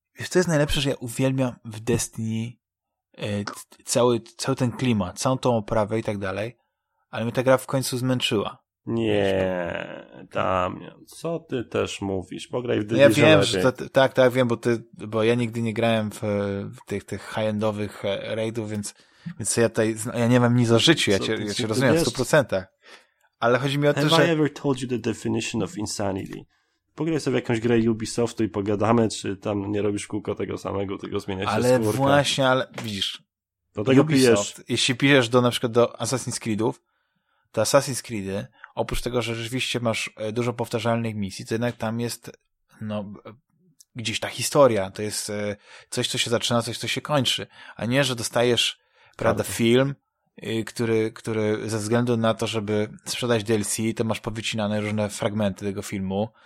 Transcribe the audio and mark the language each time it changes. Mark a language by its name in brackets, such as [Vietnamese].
[Polish] To jest najlepsze, że ja uwielbiam w Destiny cały ten klimat, całą tą oprawę i tak dalej, ale mnie ta gra w końcu zmęczyła. Nie, Damian, co ty też mówisz? Pograj w Division. Ja wiem, że wiem, bo ja nigdy nie grałem w tych high-endowych raidów, więc ja tutaj, ja nie mam nic o życiu, ja cię rozumiem w 100%. Ale chodzi mi o to, że... [English] Have I ever told you the definition of insanity? [Polish] Pograj sobie jakąś grę Ubisoftu i pogadamy, czy tam nie robisz kółko tego samego, tylko zmienia się ale skórka. Ale właśnie, ale widzisz, do tego Ubisoft, pijesz. Jeśli piszesz do na przykład do Assassin's Creedów, to Assassin's Creedy, oprócz tego, że rzeczywiście masz dużo powtarzalnych misji, to jednak tam jest no gdzieś ta historia, to jest coś, co się zaczyna, coś, co się kończy, a nie, że dostajesz prawda, film, który ze względu na to, żeby sprzedać DLC, to masz powycinane różne fragmenty tego filmu.